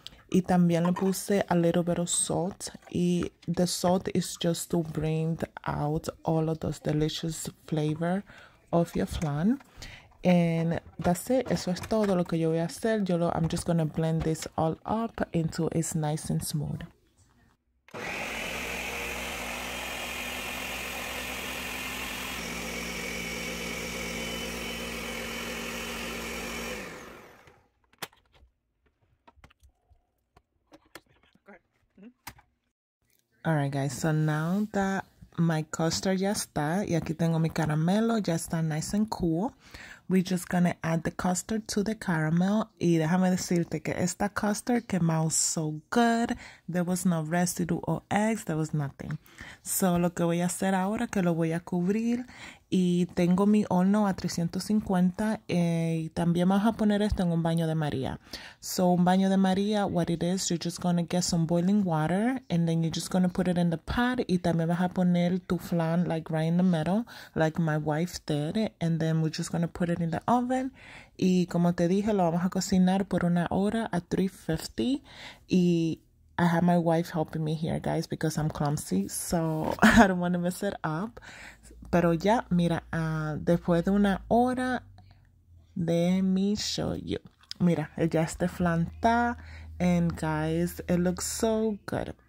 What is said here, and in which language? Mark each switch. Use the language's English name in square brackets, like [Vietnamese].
[Spanish] Y también le puse [English] a little bit of salt. Y the salt is just to bring out all of those delicious flavor of your flan. And that's it. [Spanish] Eso es todo lo que yo voy a hacer. [English] I'm just going to blend this all up until it's nice and smooth. All right, guys, so now that my custard [Spanish] ya está, y aquí tengo mi caramelo, ya está [English] nice and cool, we're just going to add the custard to the caramel, [Spanish] y déjame decirte que esta [English] custard came out so good, there was no residue or eggs, there was nothing. [Spanish] So lo que voy a hacer ahora, que lo voy a cubrir, y tengo mi horno a 350, y también vamos a poner esto en un baño de María. [English] So un baño de María, what it is, you're just going to get some boiling water, and then you're just going to put it in the pot, [Spanish] y también vas a poner tu flan, [English] like right in the middle, like my wife did, and then we're just going to put it in the oven. [Spanish] Y como te dije, lo vamos a cocinar por una hora a 350. [English] Y I have my wife helping me here, guys, because I'm clumsy, so I don't want to mess it up. [Spanish] Pero ya, mira, después de una hora, [English] let me show you. [Spanish] Mira, ya este flan está, [English] and guys, it looks so good.